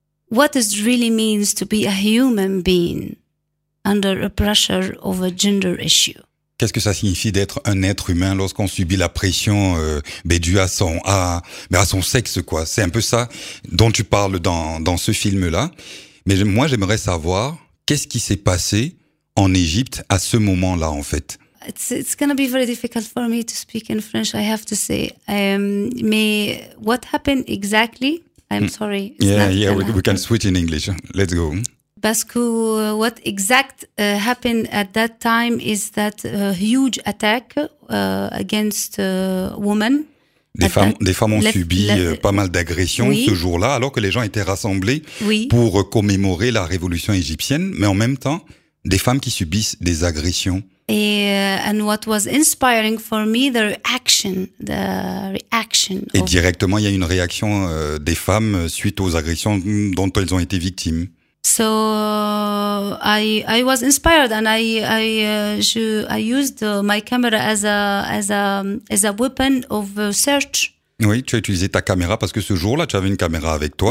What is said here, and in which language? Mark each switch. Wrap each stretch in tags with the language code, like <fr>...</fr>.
<en>What does it really means to be a human being under a pressure of a gender issue?</en> <fr>Qu'est-ce que ça signifie d'être un être humain lorsqu'on subit la pression due à son sexe, quoi? C'est un peu ça dont tu parles dans ce film-là. Mais moi, j'aimerais savoir qu'est-ce qui s'est passé en Égypte à ce moment-là, en fait.</fr> <en>It's going to be very difficult for me to speak in French, I have to say. Mais what happened exactly? I'm sorry. We can switch in English. Let's go.</en> <fr>Parce que</fr> <en>what exact happened at that time is that huge attack against women.</en> <fr>Des femmes ont subi pas mal d'agressions ce jour-là, alors que les gens étaient rassemblés pour commémorer la révolution égyptienne, mais en même temps, des femmes qui subissent des agressions.</fr> <en>And what was inspiring for me, the reaction.</en> <fr>Et directement, il y a une réaction des femmes suite aux agressions dont elles ont été victimes.</fr> <en>So I was inspired and I used my camera as a weapon of search.</en> <fr>Oui, tu as utilisé ta caméra parce que ce jour-là, tu avais une caméra avec toi.</fr>